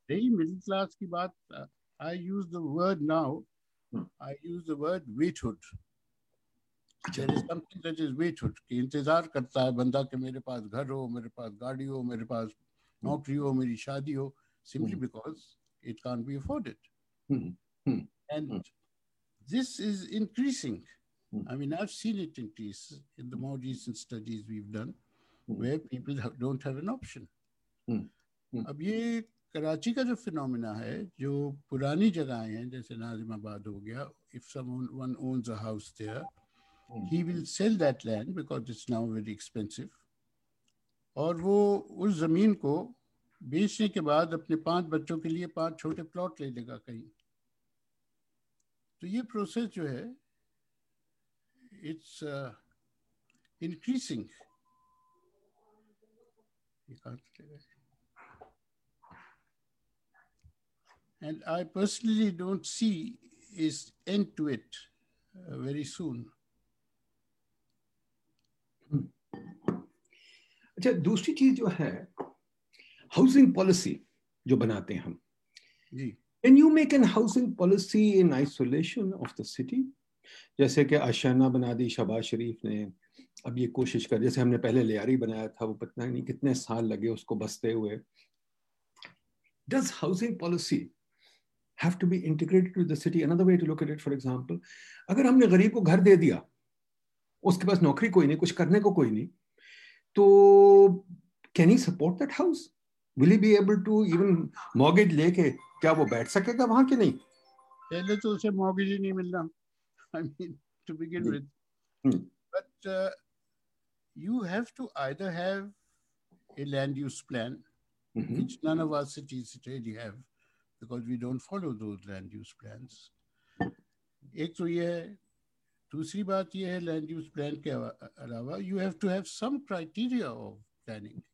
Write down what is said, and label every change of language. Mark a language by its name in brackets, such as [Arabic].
[Hindi] नहीं, middle class की बात, [English] I use the word now, I use the word waithood. There is something that is waithood, [Hindi] कि इंतजार करता है बंदा कि मेरे पास घर हो, मेरे पास गाड़ी हो, मेरे पास नौकरी हो, मेरी शादी हो, [English] simply because it can't be afforded. And this is increasing. I mean, I've seen it increase in the more recent studies we've done, where people don't have an option. [Hindi] अब ये कराची का जो phenomena है, जो पुरानी जगहें हैं, जैसे नाजिमाबाद हो गया, [English] if someone owns a house there, he will sell that land because it's now very expensive. [Hindi] और वो उस जमीन को बेचने के बाद अपने 5 बच्चों के लिए 5 छोटे प्लॉट ले लेगा कहीं। तो ये प्रोसेस जो है, [English] it's increasing. And I personally don't see its end to it very soon. [Hindi] अच्छा दूसरी चीज जो है, हाउसिंग पॉलिसी जो बनाते हैं हम जी, [English] Can you make an housing policy in isolation of the city? [Hindi] जैसे कि आशियाना बना दी शहबाज शरीफ ने, अब ये कोशिश कर, जैसे हमने पहले लियारी बनाया था, वो पता नहीं कितने साल लगे उसको बसते हुए. [English] Does housing policy have to be integrated to the city? Another way to look at it, for example, [Hindi] अगर हमने गरीब को घर दे दिया, उसके पास नौकरी कोई नहीं, कुछ करने को कोई नहीं, तो [English] can he support that house? Will he be able to even mortgage [Hindi] लेके क्या वो बैठ सकेगा वहां कि नहीं? पहले तो उसे mortgage ही नहीं मिलना. [English] I mean, to begin with. But you have to either have a land use plan, which none of our cities really have, because we don't follow those land use plans. [Hindi] एक तो ये है, दूसरी बात ये है, land use plan के अलावा, [English] you have to have some criteria of planning.